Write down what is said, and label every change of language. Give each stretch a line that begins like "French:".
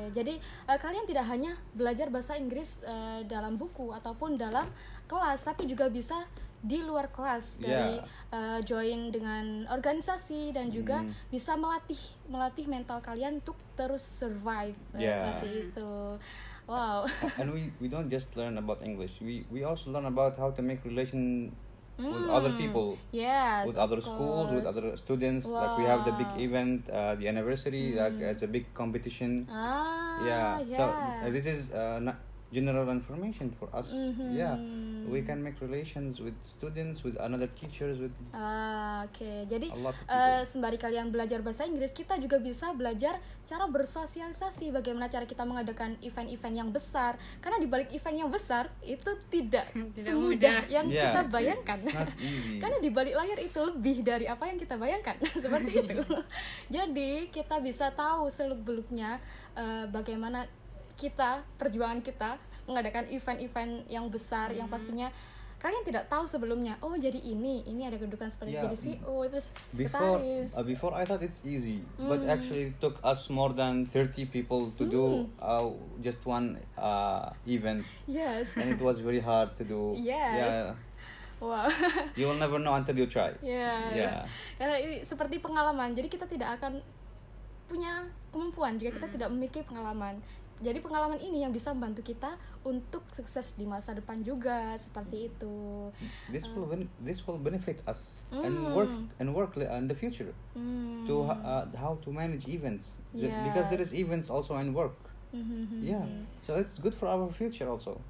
Indonesian: Jadi kalian tidak hanya belajar bahasa Inggris dalam buku ataupun dalam kelas, tapi juga bisa di luar kelas dari join dengan organisasi dan juga bisa melatih mental kalian untuk terus survive seperti itu.
English: Wow. And we don't just learn about English. We also learn about how to make relation with other people. Yes. With other schools, with other students. Wow. Like we have the big event, the anniversary. Like it's a big competition. So this is general information for us. We can make relations with students, with another teachers, with
Indonesian: Jadi sembari kalian belajar bahasa Inggris, kita juga bisa belajar cara bersosialisasi, bagaimana cara kita mengadakan event-event yang besar. Karena di balik event yang besar itu tidak semudah yang kita bayangkan. Karena di balik layar itu lebih dari apa yang kita bayangkan. Seperti itu. Jadi kita bisa tahu seluk-beluknya bagaimana kita, perjuangan kita mengadakan event-event yang besar yang pastinya kalian tidak tahu sebelumnya. Oh, jadi ini ada kedudukan seperti jadi CEO, terus
English: before I thought it's easy, but actually it took us more than 30 people to do just one event. Yes. And it was very hard to do. Yes. Wow. You will never know until you try. Yes.
Indonesian: Karena ini seperti pengalaman, jadi kita tidak akan punya kemampuan jika kita tidak memiliki pengalaman. Jadi pengalaman ini yang bisa membantu kita untuk sukses di masa depan juga, seperti itu.
English: This will this will benefit us and work in the future to how to manage events because there is events also in work. Mm-hmm. Yeah, so it's good for our future also.